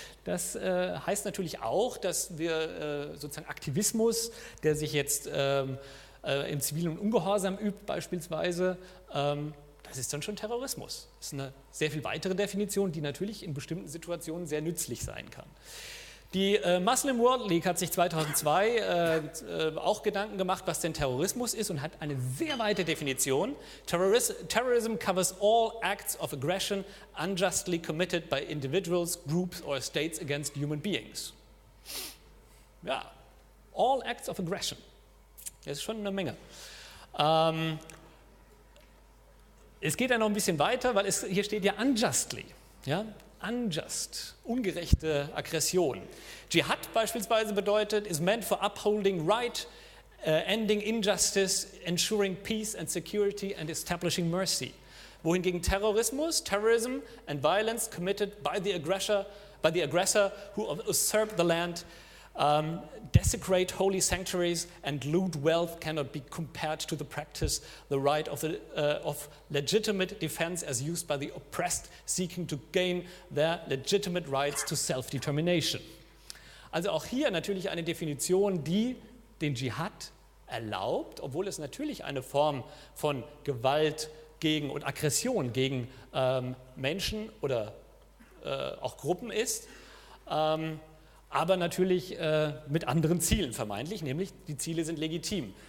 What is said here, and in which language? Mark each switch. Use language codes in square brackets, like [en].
[de] Das heißt natürlich auch, dass wir sozusagen Aktivismus, der sich jetzt im zivilen Ungehorsam übt beispielsweise, das ist dann schon Terrorismus. Das ist eine sehr viel weitere Definition, die natürlich in bestimmten Situationen sehr nützlich sein kann. Die Muslim World League hat sich 2002 auch Gedanken gemacht, was denn Terrorismus ist, und hat eine sehr weite Definition. [en] Terrorism covers all acts of aggression unjustly committed by individuals, groups or states against human beings. [de] Ja, [en] all acts of aggression. [de] Das ist schon eine Menge. Es geht dann noch ein bisschen weiter, weil hier steht ja unjustly, ja. [en] Unjust, [de] ungerechte Aggression. Dschihad beispielsweise bedeutet, [en] is meant for upholding right, ending injustice, ensuring peace and security and establishing mercy. [de] Wohingegen [en] Terrorism and violence committed by the aggressor who usurp the land, desecrate holy sanctuaries and loot wealth cannot be compared to the practice, the right of legitimate defense as used by the oppressed seeking to gain their legitimate rights to self-determination. [de] Also auch hier natürlich eine Definition, die den Dschihad erlaubt, obwohl es natürlich eine Form von Gewalt gegen und Aggression gegen Menschen oder auch Gruppen ist, aber natürlich mit anderen Zielen vermeintlich, nämlich die Ziele sind legitim.